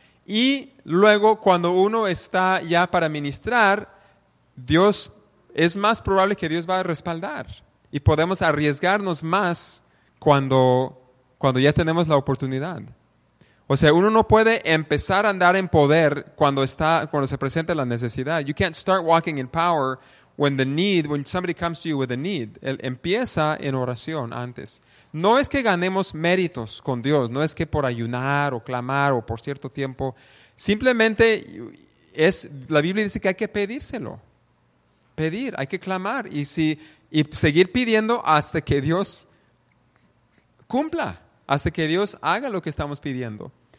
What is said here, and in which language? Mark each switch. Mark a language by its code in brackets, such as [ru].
[es] Y luego, cuando uno está ya para ministrar, Dios, es más probable que Dios va a respaldar. Y podemos arriesgarnos más cuando ya tenemos la oportunidad. O sea, uno no puede empezar a andar en poder cuando se presenta la necesidad. [en] You can't start walking in power when somebody comes to you with a need. [es] Empieza en oración antes. No es que ganemos méritos con Dios, no es que por ayunar o clamar o por cierto tiempo. Simplemente es la Biblia dice que hay que pedírselo. Pedir, hay que clamar y seguir pidiendo hasta que Dios cumpla, hasta que Dios haga lo que estamos pidiendo.